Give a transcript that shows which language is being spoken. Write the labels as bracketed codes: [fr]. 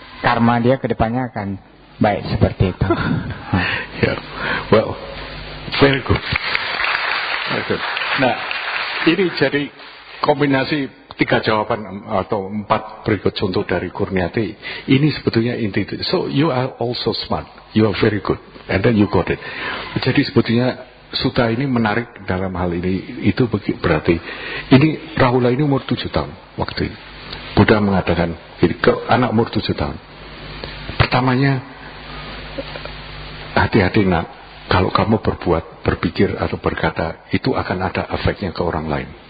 [id] Karma dia kedepannya akan baik seperti itu. [en] Yeah, well, very good. [id] Nah, ini jadi kombinasi tiga jawaban atau empat berikut contoh dari Kurniati. Ini sebetulnya inti. [en] So you are also smart. You are very good, and then you got it. [id] Jadi sebetulnya Sutta ini menarik dalam hal ini. Itu berarti ini Rahula ini umur 7 tahun waktu ini. Buddha mengatakan ini ke anak umur 7 tahun. Pertamanya, hati-hati nak, kalau kamu berbuat, berpikir atau berkata, itu akan ada efeknya ke orang lain.